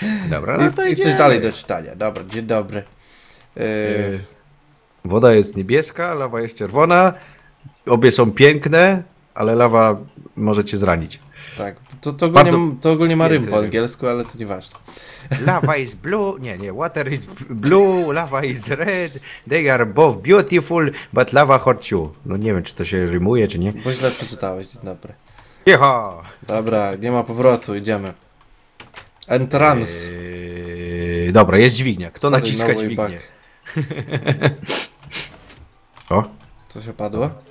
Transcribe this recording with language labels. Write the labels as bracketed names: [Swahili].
[Polish] Dobra, no to i coś dalej do czytania. Dobra, dzień dobry. Woda jest niebieska, lawa jest czerwona. Obie są piękne, ale lawa może cię zranić. Tak, to ogólnie ma rym po angielsku, ale to nieważne. [English] Lava is blue, water is blue, lava is red, they are both beautiful, but lava hurts you. [Polish] No nie wiem, czy to się rymuje, czy nie. Bo źle przeczytałeś, dzień dobry. Jeho! Dobra, nie ma powrotu, idziemy. [English] Entrance. [Polish] Dobra, jest dźwignia. Kto naciska dźwignię? O? Co się padło?